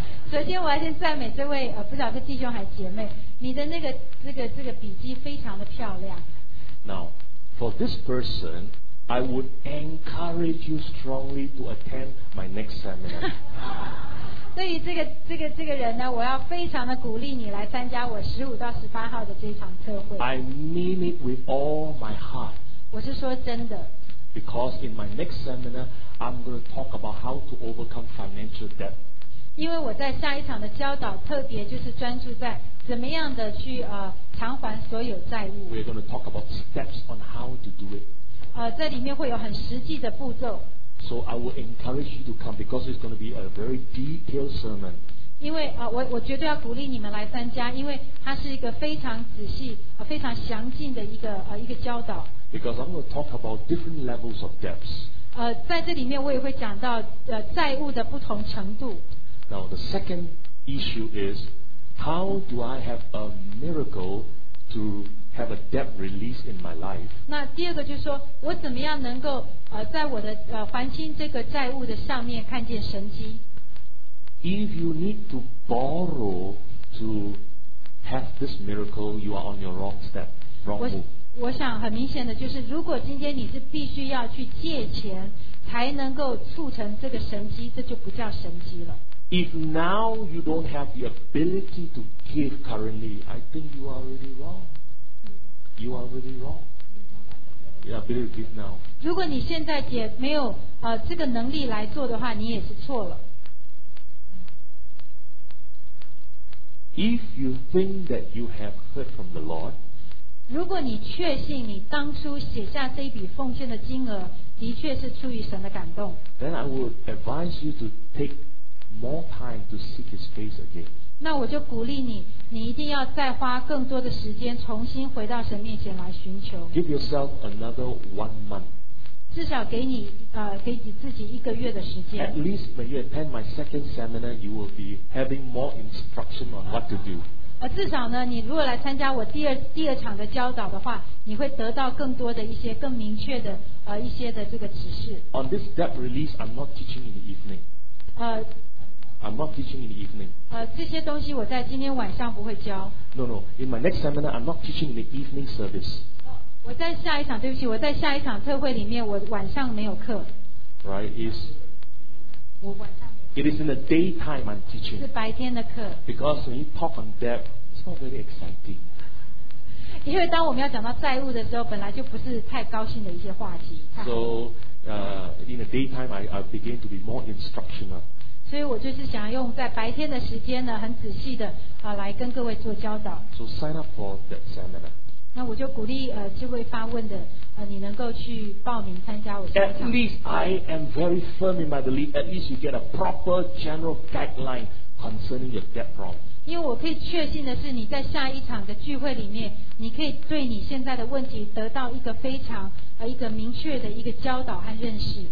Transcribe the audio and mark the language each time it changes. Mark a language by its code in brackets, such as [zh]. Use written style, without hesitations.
[zh] 首先我要先赞美这位不晓得弟兄还姐妹，你的这个笔迹非常的漂亮。 [en] Now for this personI would encourage you strongly to attend my next seminar. [zh] 对于这个人呢，我要非常的鼓励你来参加我15-18号的这场特会。 [en] I mean it with all my heart. [zh] 我是说真的。 [en] Because in my next seminar, I'm going to talk about how to overcome financial debt. [zh] 因为我在下一场的教导特别就是专注在怎么样的去偿还所有债务。 [en] We're going to talk about steps on how to do it. [zh] 在里面会有很实际的步骤。 [en] So I will encourage you to come because it's going to be a very detailed sermon. [zh] 因为我绝对要鼓励你们来参加，因为它是一个非常仔细非常详尽的一个教导。 [en] Because I'm going to talk about different levels of debts. [zh] 在这里面我也会讲到债务的不同程度。 [en] Now the second issue is how do I have a miracle to. Have a debt release in my life. [zh] 那第二个就是说，我怎么样能够在我的还清这个债务的上面看见神迹 [en] ？If you need to borrow to have this miracle, you are on your wrong step, wrong move. [zh] 我想很明显的就是，如果今天你是必须要去借钱才能够促成这个神迹，这就不叫神迹了。 [en] If now you don't have the ability to give currently, I think you are really wrong. You are really wrong. Yeah, believe it now. [zh] 如果你现在也没有这个能力来做的话，你也是错了。 [en] If you think that you have heard from the Lord, [zh] 如果你确信你当初写下这一笔奉献的金额的确是出于神的感动 [en] ，then I would advise you to take more time to seek His face again. [zh] 那我就鼓励你，你一定要再花更多的时间重新回到神面前来寻求。 [en] Give yourself another 1 month. [zh] 至少给你给你自己一个月的时间。 [en] At least when you attend my second seminar, you will be having more instruction on what to do. [zh] 至少呢，你如果来参加我第二场的教导的话，你会得到更多的一些更明确的一些的这个指示。 [en] On this debt release, I'm not teaching in the evening. I'm not teaching in the evening. [zh] 这些东西我在今天晚上不会教。 [en] No. In my next seminar, I'm not teaching in the evening service. [zh] 我在下一场，对不起，我在下一场特会里面，我晚上没有课。 [en] Right, is. [zh] 我晚上没有。 [en] It is in the daytime I'm teaching. [zh] 是白天的课。 [en] Because when you talk on debt, it's not very exciting. [zh] 因为当我们要讲到债务的时候，本来就不是太高兴的一些话题。 [en] So, in the daytime, I begin to be more instructional. [zh] 所以我就是想用在白天的时间呢，很仔细的来跟各位做教导。 [en] So sign up for that seminar. [zh] 那我就鼓励这位发问的你能够去报名参加我。 [en] At least I am very firm in my belief. At least you get a proper general guideline concerning your debt problem. [zh] 因为我可以确信的是，你在下一场的聚会里面，你可以对你现在的问题得到一个非常一个明确的一个教导和认识。